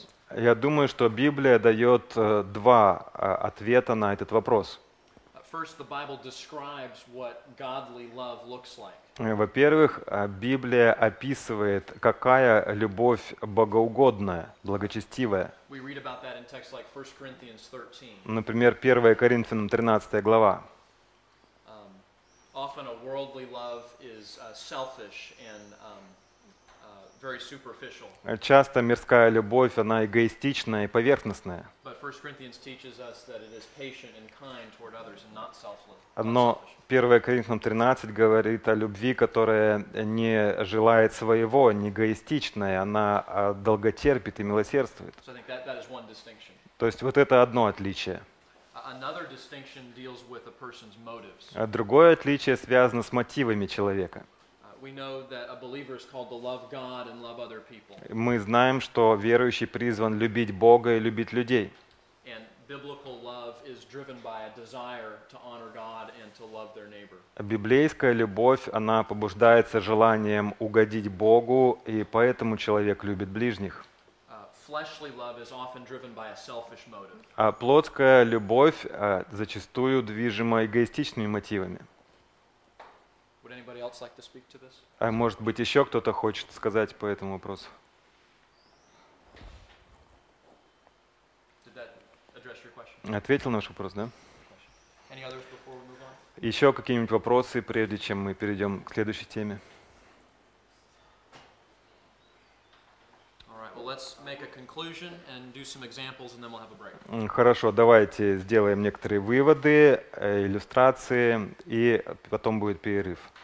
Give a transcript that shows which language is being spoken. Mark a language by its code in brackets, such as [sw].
[ru] Я думаю, что Библия дает два ответа на этот вопрос. [en] First, the Bible describes what godly love looks like. [ru] Во-первых, Библия описывает, какая любовь богоугодная, благочестивая. [en] We read about that in texts like 1 Corinthians 13. [ru] Например, 1 Коринфянам 13 глава. [en] Often a worldly love is selfish and very superficial. [ru] Часто мирская любовь, она эгоистичная и поверхностная. [en] But 1 Corinthians teaches us that it is patient and kind toward others and not selfless. [ru] Но 1 Коринфянам 13 говорит о любви, которая не желает своего, не эгоистичная, она долготерпит и милосердствует. [en] So I think that is one distinction. [ru] То есть вот это одно отличие. [en] Another distinction deals with a person's motives. [ru] А другое отличие связано с мотивами человека. [en] We know that a believer is called to love God and love other people. [ru] Мы знаем, что верующий призван любить Бога и любить людей. [en] And biblical love is driven by a desire to honor God and to love their neighbor. [ru] Библейская любовь, она побуждается желанием угодить Богу, и поэтому человек любит ближних. [en] Fleshly love is often driven by a selfish motive. [ru] А плотская любовь зачастую движима эгоистичными мотивами. [en] Would anybody else like to speak to this? [ru] А может быть, еще кто-то хочет сказать по этому вопросу? [en] Did that address your question? [ru] Ответил на ваш вопрос, да? [en] Any others before we move on? [ru] Еще какие-нибудь вопросы, прежде чем мы перейдем к следующей теме? [en] All right, well, let's make a conclusion and do some examples, and then we'll have a break. [ru] Хорошо, давайте сделаем некоторые выводы, иллюстрации, и потом будет перерыв.